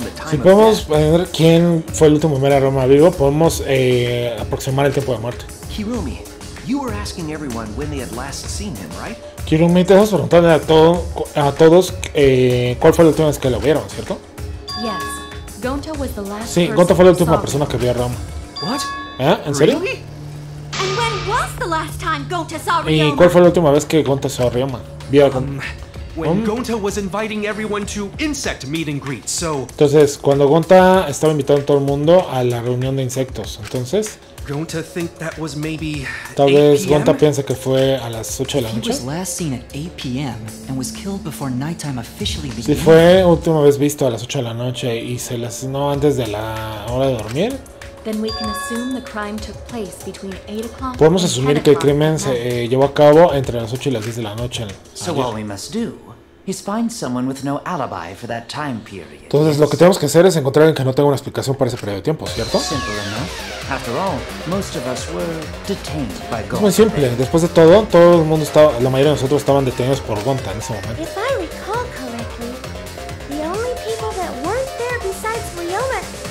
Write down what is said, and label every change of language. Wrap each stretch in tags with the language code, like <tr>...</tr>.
<es>Si podemos ver quién fue el último ver a Ryoma vivo, podemos aproximar el tiempo de muerte.</es> <en>Kirumi, you were asking everyone when they had last seen him, right?</en> <es>Kirumi, te estás preguntando a todos cuál fue la última vez que lo vieron, ¿cierto?</es> <en>Yes, Gonta was the last.</en> <es>Sí, Gonta fue la última persona que vio a Ryoma.</es> <en>What?</en> <es>¿Eh? ¿En serio?</es> <en>Really? And when was the last time Gonta saw Ryoma?</en> <es>¿Y cuál fue la última vez que Gonta</es> <en>saw</en> <es>Ryoma? Vio a Ryoma.</es> <en>When Gonta was inviting everyone to insect meet and greet, so.</en> <es>Entonces, cuando Gonta estaba invitando a todo el mundo a la reunión de insectos, entonces.</es> <en>Gonta think that was maybe.</en> <es>Tal vez Gonta piensa que fue a las 8 de la noche.</es> <en>He was last seen at 8 p.m. and was killed before nighttime officially began.</en> <es>Si fue última vez visto a las 8 de la noche y se le asesinó antes de la hora de dormir.</es> <en>Then we can assume the crime took place between 8 o'clock.</en> <es>Podemos asumir que el crimen se llevó a cabo entre las 8 y las 10 de la noche.</es> <en>So all we must do is find someone with no alibi for that time period.</en> <es>Entonces lo que tenemos que hacer es encontrar a alguien que no tenga una explicación para ese periodo de tiempo, ¿cierto?</es> <en>After all, most of us were detained by Gonta.</en> <es>Es muy simple. Después de todo, todo el mundo estaba, la mayoría de nosotros estaban detenidos por Gonta en ese momento.</es> <en>If I recall correctly, the only people that weren't there besides Ryoma.</en>